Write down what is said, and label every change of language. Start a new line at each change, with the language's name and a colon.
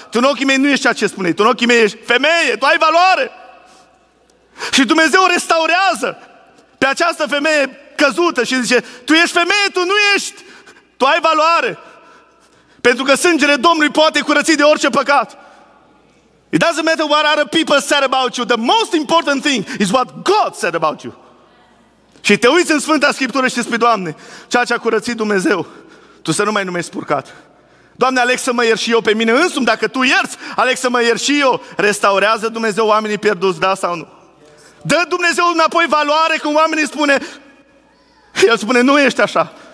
Romanian: Tu în ochii mei nu ești ceea ce spune. Tu în ochii mei ești femeie, tu ai valoare. Și Dumnezeu restaurează pe această femeie căzută și zice, tu ești femeie, tu nu ești. Tu ai valoare. Pentru că sângele Domnului poate curăți de orice păcat.
English: It doesn't matter what other people said about you. The most important thing is what God said about you.
Romanian: Și te uiți în Sfânta Scriptură și spui, Doamne, ceea ce a curățit Dumnezeu, tu să nu mai numești spurcat. Doamne, aleg să mă ierși și eu pe mine însumi, dacă tu ierți, aleg să mă ierși și eu. Restaurează Dumnezeu oamenii pierduți, da sau nu? Dă Dumnezeu înapoi valoare când oamenii spune, El spune, nu ești așa.